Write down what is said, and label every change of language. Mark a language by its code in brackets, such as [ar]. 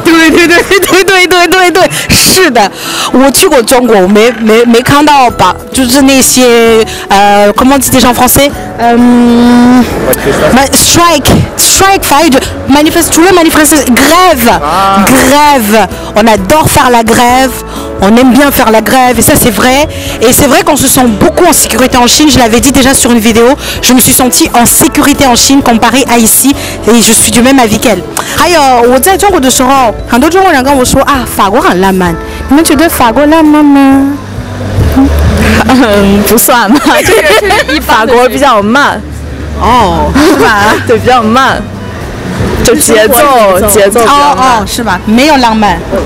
[zh] 对对对对对对对对，是的，我去过中国，没看到罢，就是那些 [fr] comment dit en français， [zh] strike 法语就 manifest， 除了 manifest， grève， [fr] on adore faire la grève。 On aime bien faire la grève et ça c'est vrai. Et c'est vrai qu'on se sent beaucoup en sécurité en Chine. Je l'avais dit déjà sur une vidéo. Je me suis sentie en sécurité en Chine comparée à ici. Et je suis du même avis qu'elle. [zh] 还有我在中国的时候，很多中国人跟我说啊，法国很浪漫。你们觉得法国浪漫吗？不算吧，这个法国比较慢。哦，是吧？对，比较慢。就节奏哦哦，是吧？没有浪漫，